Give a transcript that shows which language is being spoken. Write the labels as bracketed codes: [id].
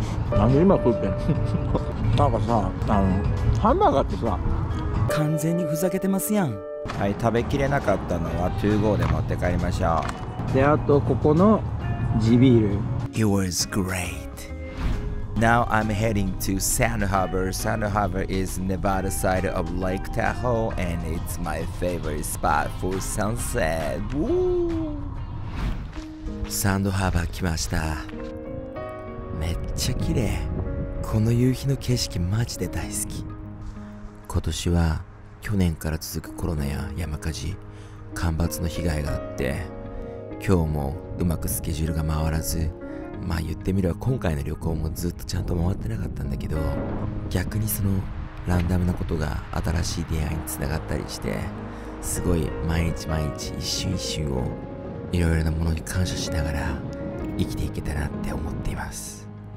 [ja] 何今食ってんなんかさ、あのハンバーガーってさ完全にふざけてますやん。はい、食べきれなかったのは2号で持って帰りましょう。で、あとここの地ビール。 [en] It was great. Now I'm heading to Sand Harbor. Sand Harbor is Nevada side of Lake Tahoe and it's my favorite spot for sunset. Woo! [ja] Sand Harbor 来ました。めっちゃ綺麗。この夕日の景色マジで大好き。今年は去年から続くコロナや山火事、干ばつの被害があって、今日もうまくスケジュールが回らず、まあ言ってみれば今回の旅行もずっとちゃんと回ってなかったんだけど、逆にそのランダムなことが新しい出会いにつながったりして、すごい毎日毎日一瞬一瞬をいろいろなものに感謝しながら生きていけたなって思っています。